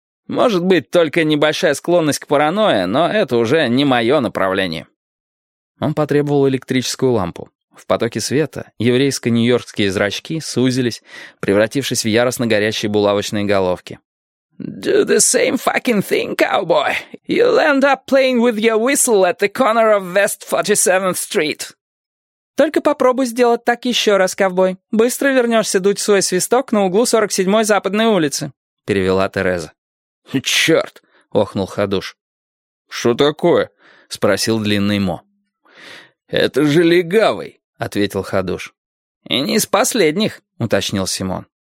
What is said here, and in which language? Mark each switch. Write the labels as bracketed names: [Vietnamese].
[Russian] Может быть, только небольшая склонность к паранойе, но это уже не мое направление». Он потребовал электрическую лампу. В потоке света еврейско-нью-йоркские зрачки сузились, превратившись в яростно горящие булавочные головки. [English] «Do the same fucking thing, cowboy. You'll end up playing with your whistle at the corner of West 47th Street». [Russian] «Только попробуй сделать так еще раз, ковбой. Быстро вернешься дуть свой свисток на углу 47-й Западной улицы», — перевела Тереза. «Черт!» — охнул Хадуш. «Что такое?» — спросил длинный Мо. «Это же легавый», — ответил Хадуш. «И не из последних», — уточнил Симон.